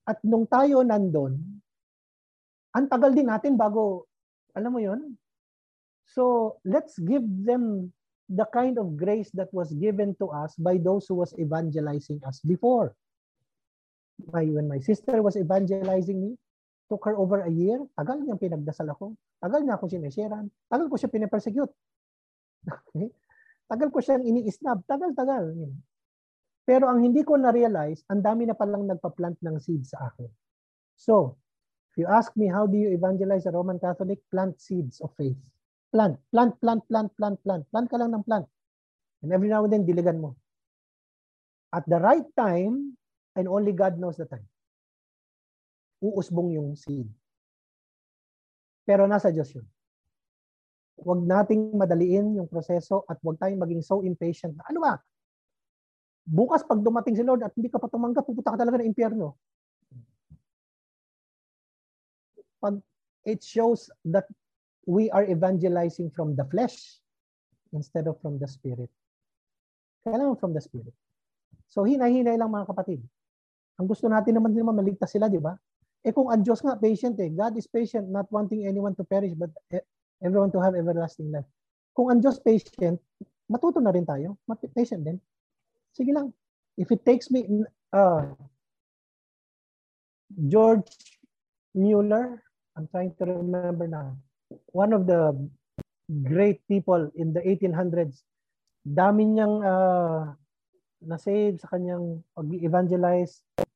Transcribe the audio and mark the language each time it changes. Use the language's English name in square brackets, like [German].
[Filipino] At nung tayo nandun, ang tagal din natin bago, alam mo yon. [English] So, let's give them the kind of grace that was given to us by those who was evangelizing us before. When my sister was evangelizing me, took her over a year. [Filipino] Tagal niyang pinagdasal ako. Tagal niya ako sinesheran. Tagal ko siya pinapersecute. Tagal ko siyang ini-snab. Tagal. Pero ang hindi ko na-realize, ang dami na palang nagpa-plant ng seed sa akin. [English] So, if you ask me, how do you evangelize a Roman Catholic? Plant seeds of faith. Plant. Plant [Filipino] ka lang ng [English] plant. And every now and then, [Filipino] diligan mo. [English] At the right time, and only God knows the time, [Filipino] uusbong yung [English] seed. [Filipino] Pero nasa Diyos yun. Huwag nating madaliin yung proseso at huwag tayong maging [English] so impatient. [Filipino] Ano ba? Bukas pag dumating si Lord at hindi ka pa tumanggap, pupunta ka talaga ng impyerno. [English] Pag it shows that we are evangelizing from the flesh instead of from the spirit. [Filipino] Kailangan [English] from the spirit. [Filipino] So hinahinay lang mga kapatid. Ang gusto natin naman din maligtas sila, di ba? Eh kung ang Diyos nga, patient eh. [English] God is patient, not wanting anyone to perish, but everyone to have everlasting life. [Filipino] Kung ang Diyos patient, matuto na rin tayo. Patient din. Sige lang. [English] If it takes me, George Mueller, I'm trying to remember na, one of the great people in the 1800s, [Filipino] dami niyang na-save sa kanyang pag-evangelize.